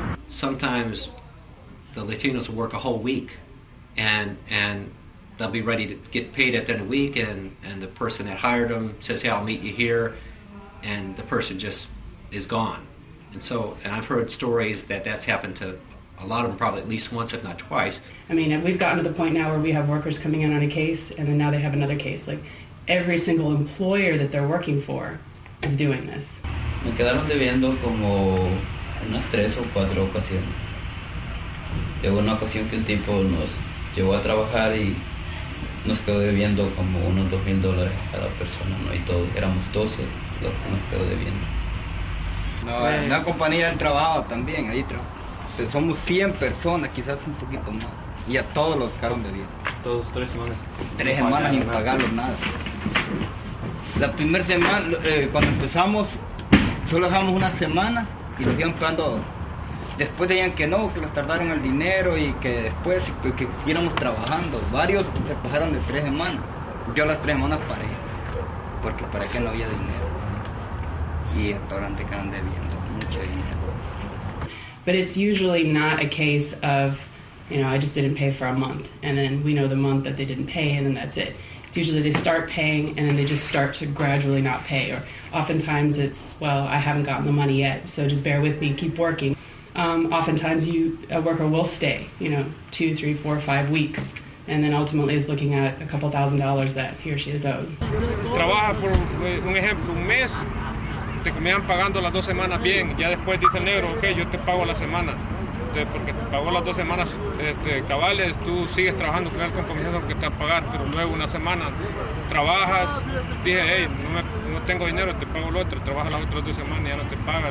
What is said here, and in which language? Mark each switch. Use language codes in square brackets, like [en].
[en] Sometimes the Latinos will work a whole week and they'll be ready to get paid at the end of the week, and the person that hired them says, hey, I'll meet you here, and the person just is gone. And I've heard stories that that's happened to a lot of them, probably at least once, if not twice. I mean, we've gotten to the point now where we have workers coming in on a case, and then now they have another case. Like, every single employer that they're working for is doing this. [es] Me quedaron debiendo como unas tres o cuatro ocasiones. De una ocasión que un tipo nos llevó a trabajar y nos quedó debiendo como unos $2,000 cada persona, ¿no? Y todos, éramos 12 los que nos quedó debiendo. No, en la compañía del trabajo también, ahí somos 100 personas, quizás un poquito más. Y a todos los quedaron debiendo. Todos, 3 semanas. 3 semanas sin pagarlos nada. La primera semana, cuando empezamos, solo dejamos una semana y los iban pagando. Después decían que no, que los tardaron el dinero y que después que íbamos trabajando. Varios se pasaron de 3 semanas. Yo las 3 semanas paré, porque para qué no había dinero. Y hasta ahora te quedan debiendo mucho dinero. [en] But it's usually not a case of, you know, I just didn't pay for a month, and then we know the month that they didn't pay, and then that's it. It's usually they start paying, and then they just start to gradually not pay. Or oftentimes it's, well, I haven't gotten the money yet, so just bear with me, keep working. Oftentimes a worker will stay, you know, 2, 3, 4, 5 weeks, and then ultimately is looking at a couple $1,000 that he or she is owed. [es] Trabaja por un ejemplo, un mes. Te comían pagando las 2 semanas bien, ya después dice el negro, ok, yo te pago la semana. Entonces, porque te pagó las 2 semanas cabales, tú sigues trabajando con el compromiso que te va a pagar, pero luego una semana trabajas, dije, hey, no tengo dinero, te pago el otro, trabajas las otras 2 semanas y ya no te paga.